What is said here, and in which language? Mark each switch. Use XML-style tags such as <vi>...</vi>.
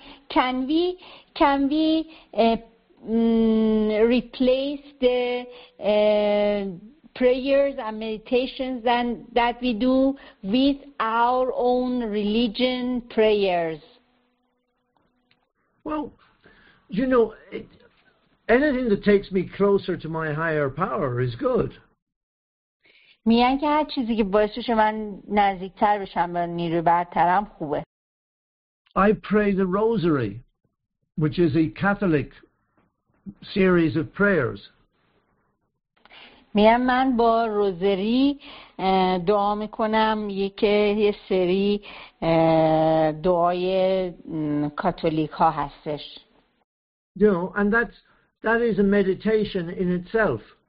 <en>can we replace the prayers and meditations and that we do with our own religion prayers? Well, you know, anything that takes me closer to my higher power is good.</en> <fa>میگن که هر چیزی که باعث بشه من نزدیکتر بشم به نیروی برترم خوبه.</fa> <en>I pray the rosary, which is a Catholic series of prayers.</en> <fa>میگم من با روزری دعا میکنم، یکی سری دعای کاتولیک ها هستش.</fa> <en>You know, and that is a meditation in itself.</en>